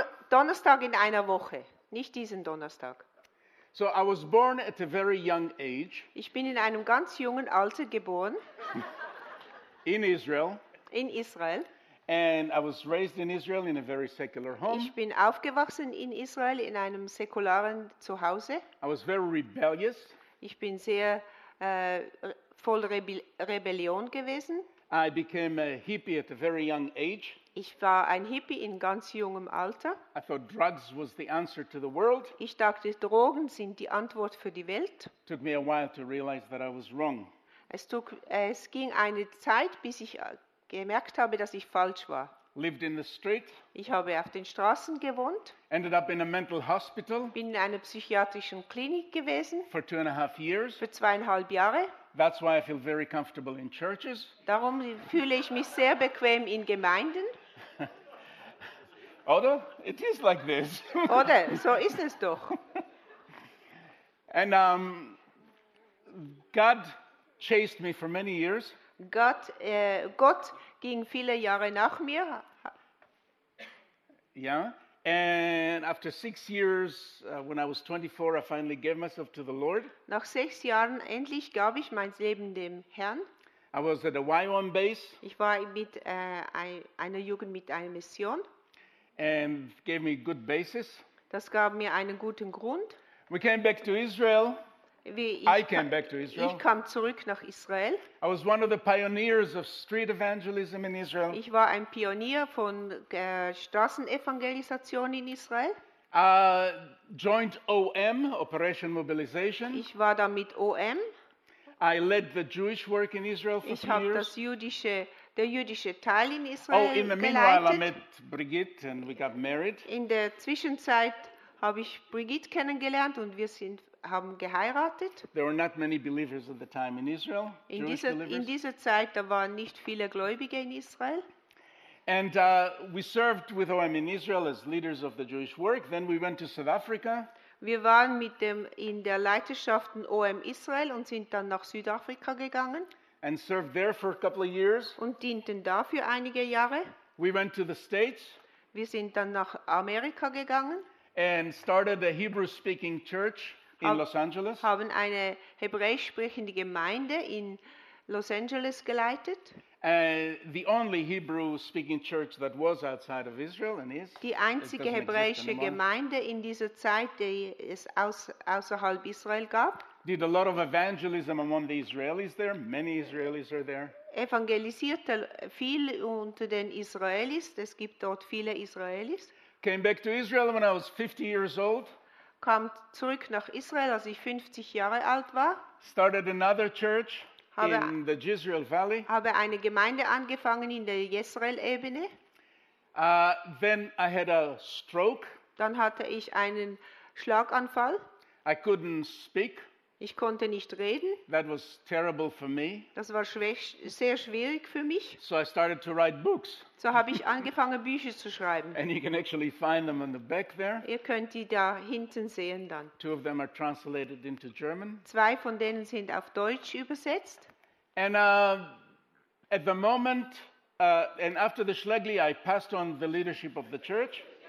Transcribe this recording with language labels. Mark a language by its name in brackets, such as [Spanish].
[German] Donnerstag in einer Woche, nicht diesen Donnerstag. [English] So I was born at a very young age. [German] Ich bin in einem ganz jungen Alter geboren. [English] In Israel. [German] In Israel. [English] And I was raised in Israel in a very secular home. [German] Ich bin aufgewachsen in Israel in einem säkularen Zuhause. [English] I was very rebellious. [German] Ich bin sehr voll Rebellion gewesen. [English] I became a hippie at a very young age. [German] Ich war ein Hippie in ganz jungem Alter. [English] I thought drugs was the answer to the world. [German] Ich dachte, Drogen sind die Antwort für die Welt. [English] It took me a while to realize that I was wrong. [German] Es ging eine Zeit, bis ich gemerkt habe, dass ich falsch war. [English] Lived in the street. [German] Ich habe auf den Straßen gewohnt. [English] Ended up in a mental hospital. [German] Bin in einer psychiatrischen Klinik gewesen. [English] For 2.5 years. [German] Für 2.5 Jahre. [English] That's why I feel very comfortable in churches. [German] Darum fühle ich mich sehr bequem in Gemeinden. [English] Oder? It is like this. [German] Oder? So ist es doch. [English] And God chased me for many years. [German] Gott ging viele Jahre nach mir. [English] Yeah. And after 6 years, when I was 24, I finally gave myself to the Lord. [German] Nach 6 Jahren endlich gab ich mein Leben dem Herrn. [English] I was at a YWAM base. [German] Ich war mit einer Jugend mit einer Mission. [English] And gave me a good basis. [German] Das gab mir einen guten Grund. [English] We came back to Israel. [German] Ich kam zurück nach Israel. [English] I was one of the pioneers of street evangelism in Israel. [German] Ich war ein Pionier von Straßenevangelisation in Israel. [English] Joined OM, Operation Mobilization. [German] Ich war da mit OM. [English] I led the Jewish work in Israel for 3 years. [German] Ich habe der jüdische Teil in Israel geleitet. [English] Oh, in the meanwhile, I met Brigitte and we got married. [German] In der Zwischenzeit habe ich Brigitte kennengelernt und wir sind haben geheiratet. [English] There were not many believers at the time in Israel. [German] In dieser Zeit da waren nicht viele Gläubige in Israel. [English] And we served with OM in Israel as leaders of the Jewish work. Then we went to South Africa. [German] Wir waren mit dem in der Leiterschaft OM Israel und sind dann nach Südafrika gegangen. [English] And served there for a couple of years. [German] Und dienten dafür einige Jahre. [English] We went to the States. [German] Wir sind dann nach Amerika gegangen. [English] And started a Hebrew-speaking church. In Los Angeles. [German] Haben eine hebräisch sprechende Gemeinde in Los Angeles geleitet. [English] The only Hebrew speaking church that was outside of Israel and is. [German] Die einzige hebräische Gemeinde in dieser Zeit, die es außerhalb Israel gab. [English] Did a lot of evangelism among the Israelis there. Many Israelis are there. [German] Evangelisierte viel unter den Israelis. Es gibt dort viele Israelis. [English] Came back to Israel when I was 50 years old. [German] Kam zurück nach Israel, als ich 50 Jahre alt war. [English] Started another church in the Jezreel Valley. [German] Habe eine Gemeinde angefangen in der Jezreel-Ebene. [English] Then I had a stroke. [German] Dann hatte ich einen Schlaganfall. [English] I couldn't speak. [German] Ich konnte nicht reden. [English] That was terrible for me. [German] Das war sehr schwierig für mich. [English] So I started to write books. [German] So habe ich angefangen, Bücher zu schreiben. [English] And you can actually find them on the back there. [German] Ihr könnt die da hinten sehen dann. [English] Two of them are translated into German. [German] Zwei von denen sind auf Deutsch übersetzt. [English] And at the moment, and after the Schlägli, I passed on the leadership of the church.